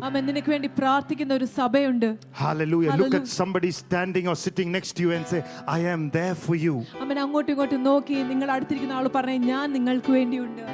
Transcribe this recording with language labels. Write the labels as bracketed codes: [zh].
[ml] അവൻ നിനക്ക് വേണ്ടി പ്രാർത്ഥിക്കുന്ന ഒരു സഭയുണ്ട്. [en] Hallelujah. Look at somebody standing or sitting next to you and say, I am there for you. [ml] അവൻ അങ്ങോട്ടും ഇങ്ങോട്ടും നോക്കി നിങ്ങൾ അടുത്തിരിക്കുന്ന ആളോട് പറഞ്ഞു ഞാൻ നിങ്ങൾക്ക്